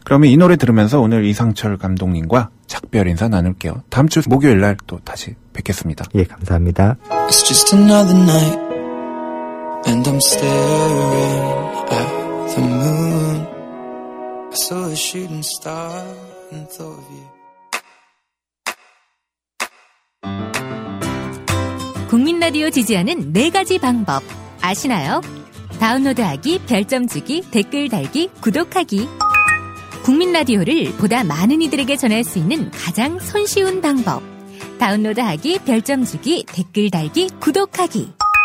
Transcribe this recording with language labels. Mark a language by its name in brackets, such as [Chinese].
[Korean] 그러면 이 노래 들으면서 오늘 이상철 감독님과 작별 인사 나눌게요. 다음 주 목요일 날 또 다시 뵙겠습니다. 예, 감사합니다. [English] It's just another night and I'm staring at the moon. I saw a shooting star and thought of you. [Korean] 국민 라디오 지지하는 네 가지 방법 아시나요? 다운로드하기, 별점 주기, 댓글 달기, 구독하기. 국민 라디오를 보다 많은 이들에게 전할 수 있는 가장 손쉬운 방법. 다운로드하기, 별점 주기, 댓글 달기, 구독하기.